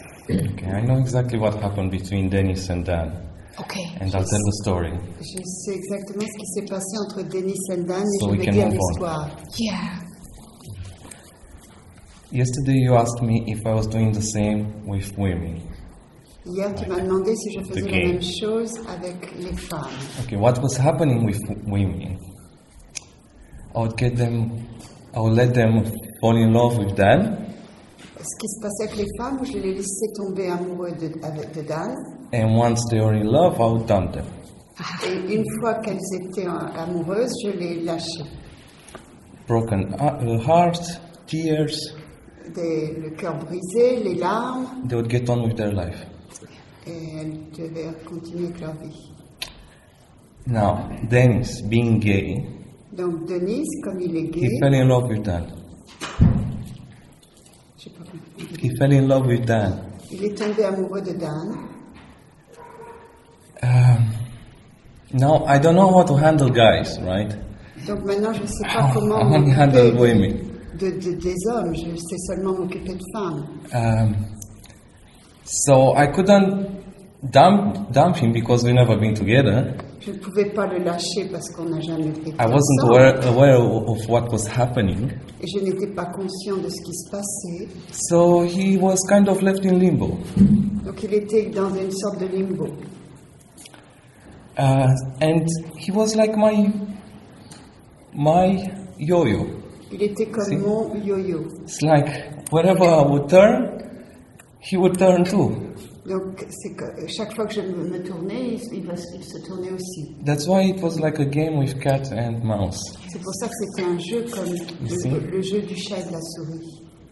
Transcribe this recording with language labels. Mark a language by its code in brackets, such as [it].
[en] Okay, I know exactly what happened between Dennis and Dan. Okay. And I'll tell the story. [fr] Je sais exactement ce qui s'est passé entre Dennis and Dan et je vais dire l'histoire. [en] Yeah. Yesterday you asked me if I was doing the same with women. [fr] Hier, tu m'as demandé si je faisais la même chose avec les femmes. [en] Okay, what was happening with women? I would let them fall in love with Dan. [fr] Ce qui se passait avec les femmes, je les laissais tomber amoureux de Dan. [en] And once they were in love, I would dump them. [fr] Et une fois qu'elles étaient amoureuses, je les lâchais. [en] Broken heart, tears. [fr] Le cœur brisé, les larmes. [en] They would get on with their life. [fr] Et elles devaient continuer leur vie. [en] Now, Dennis, being gay. [fr] Donc Dennis, comme il est gay. [en] He fell in love with Dan. He fell in love with Dan. [fr] Il est tombé amoureux de Dan. [en] Now I don't know how to handle guys, right? [fr] Donc maintenant je sais pas comment [en] handle women. [fr] Des hommes, je sais seulement m'occuper de femmes. [en] So I couldn't dump him because we've never been together. [fr] Je ne pouvais pas le lâcher parce qu'on n'a jamais été ensemble. [en] I wasn't aware of what was happening. [fr] Et je n'étais pas conscient de ce qui se passait. [en] So he was kind of left in limbo. [fr] Donc il était dans une sorte de limbo. [en] And he was like my yo-yo. [fr] Il était comme mon yo-yo. [en] It's like wherever I would turn, he would turn too. [fr] Donc c'est que chaque fois que je me tournais, il se tournait aussi. [en] That's why it was like a game with cat and mouse. [fr] C'est pour ça que c'était un jeu comme le jeu du chat et de la souris.